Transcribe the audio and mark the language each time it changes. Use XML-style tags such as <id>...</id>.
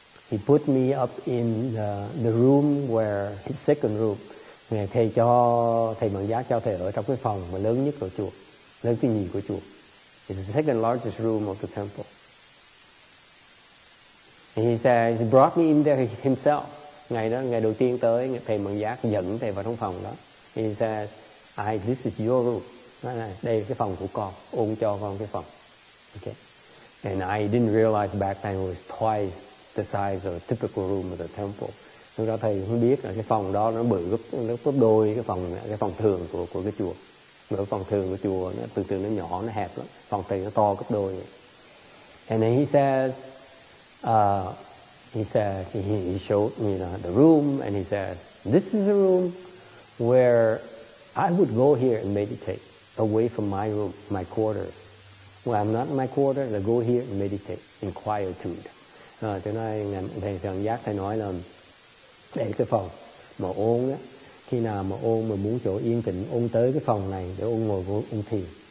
<en>He put me up in the room where his second room.</en> <vi>Ngài thầy cho thầy Mận Giác cho thầy ở trong cái phòng mà lớn nhất của chùa, lớn cái nhì của chùa.</vi> <en>It's the second largest room of the temple. And he says he brought me in there himself.</en> <vi>Ngày đó ngày đầu tiên tới, thầy Mận Giác dẫn thầy vào trong phòng đó.</vi> <en>He says, this is your room.</en> <vi>Đây là cái phòng của con, ông cho con cái phòng.</vi> <en>Okay. And I didn't realize back then it was twice the size of a typical room of the temple.</en> <vi>Lúc đó thầy không biết là cái phòng đó nó bự gấp đôi cái phòng thường của cái chùa. Mà cái phòng thường của chùa nó từ từ nó nhỏ, nó hẹp lắm. Phòng thầy nó to gấp đôi.</vi> <en>And then he showed me the room and he says, this is the room where I would go here and meditate away from my room, my quarters. When I'm not in my quarters, I go here and meditate in quietude.</en> <vi>Thế nói, thầy Mận Giác thầy nói là để cái phòng mà ôn á, khi nào mà ôn mà muốn chỗ yên tĩnh, ôn tới cái phòng này để ôn ngồi ôn thiền.</vi>